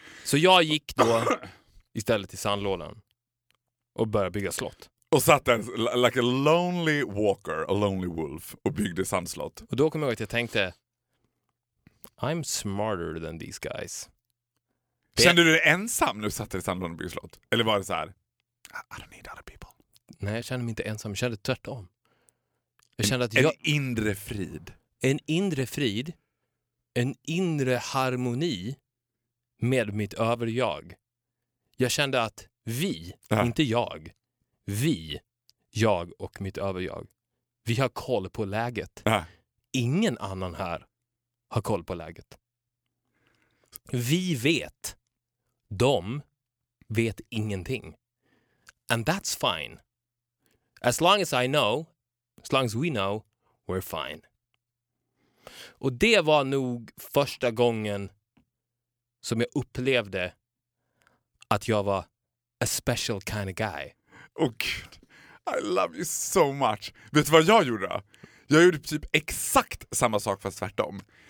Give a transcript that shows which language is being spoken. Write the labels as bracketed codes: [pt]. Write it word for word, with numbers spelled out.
[sv] Så jag gick då istället till sandlådan och började bygga slott. Och satt en, [en] like a lonely walker, a lonely wolf, [sv] och byggde sandslott. Och då kom jag ihåg att jag tänkte, [en] I'm smarter than these guys. [sv] Det... Kände du dig ensam när du satt i sandlådan och byggde slott? Eller var det så här, [en] I don't need other people? [sv] Nej, jag kände mig inte ensam. Jag kände tvärtom. Jag en, kände att en jag... inre frid. En inre frid. En inre harmoni med mitt överjag. Jag kände att vi, uh-huh. inte jag, vi, jag och mitt överjag, vi har koll på läget. Uh-huh. Ingen annan här har koll på läget. Vi vet. De vet ingenting. [en] And that's fine. As long as I know, as long as we know, we're fine. [sv] Och det var nog första gången som jag upplevde att jag var [en] a special kind of guy. [sv] Åh gud, [en] I love you so much. [sv] Vet du vad jag gjorde? Jag gjorde typ exakt samma sak fast tvärtom.